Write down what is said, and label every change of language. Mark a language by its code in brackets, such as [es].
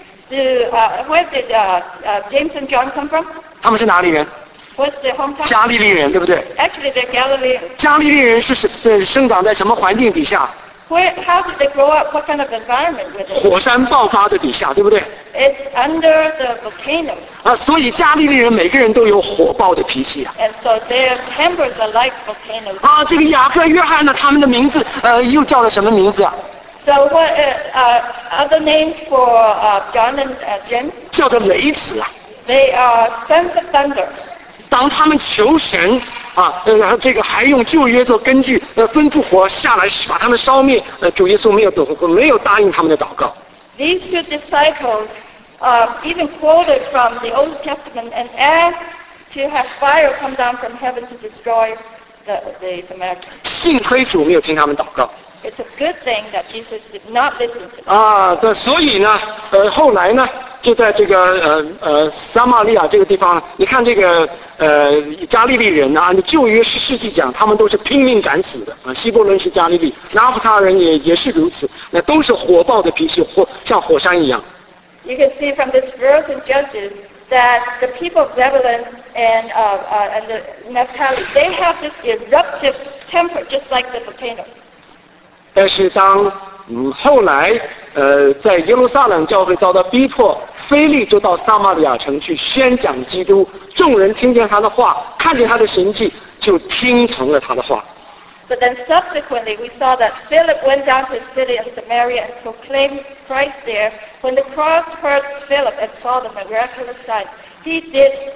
[en] ？Where did James and John come from? [zh] 他们是哪里人 [en] ？What's their hometown? [zh] 加利利人，对不对 [en] ？Actually, they're Galileans. [zh] 加利利人是生长在什么环境底下 [en] ？How did they grow up? What kind of environment were they? [zh] 火山爆发的底下，对不对 [en] ？It's under the volcanoes. [zh] 所以加利利人每个人都有火爆的脾气啊。 [en] And so their tempers are like volcanoes. [zh] 这个雅各、约翰呢，他们的名字又叫了什么名字啊 [en] ？So what other names for John and James? [zh] 叫做雷子啊。 [en] They are sons of thunder. [zh] 当他们求神这个还用旧约做根据，吩咐火下来把他们烧灭，主耶稣没有答应他们的祷告。 [en] These two disciples even quoted from the Old Testament and asked to have fire come down from heaven to destroy the Samaritans. [zh] 幸亏主没有听他们祷告。 [en] It's a good thing that Jesus did not listen to them. [zh] 对，所以呢，后来呢，就在这个撒玛利亚这个地方，你看这个加利利人啊，你旧约十世纪讲，他们都是拼命敢死的啊。希伯伦是加利利，拿弗他人也是如此，那都是火爆的脾气，像火山一样。 [en] You can see from this verse in Judges that the people of Zebulun and the Naphtali, they have this eruptive temper just like the volcanoes. [zh] 但是当后来在耶路撒冷教会遭到逼迫，腓力就到撒玛利亚城去宣讲基督，众人听见他的话，看见他的神迹，就听从了他的话。 [en] But then subsequently we saw that Philip went down to the city of Samaria and proclaimed Christ there. When the crowds heard Philip and saw the miraculous sign, he did.